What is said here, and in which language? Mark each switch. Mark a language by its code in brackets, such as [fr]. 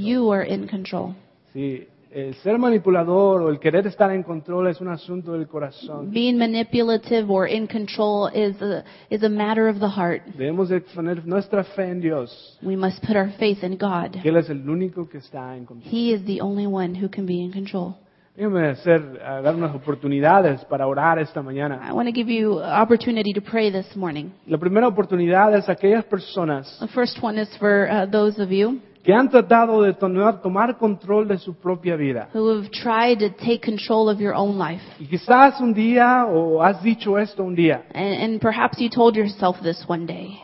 [en] You are in control. [es] Sí. El ser manipulador o el querer estar en control es un asunto del corazón. [en] Being manipulative or in control is a matter of the heart. [es] Debemos de poner nuestra fe en Dios. [en] We must put our faith in God. [es] Que Él es el único que está en control. [en] He is the only one who can be in control. [es] Déjame dar unas oportunidades para orar esta mañana. [en] I want to give you an opportunity to pray this morning. [es] La primera oportunidad es aquellas personas. [en] The first one is for those of you [es] que han tratado de tomar control de su propia vida. [en] Who have tried to take control of your own life. [es] Y quizás un día, o has dicho esto un día. [en] And perhaps you told yourself this one day.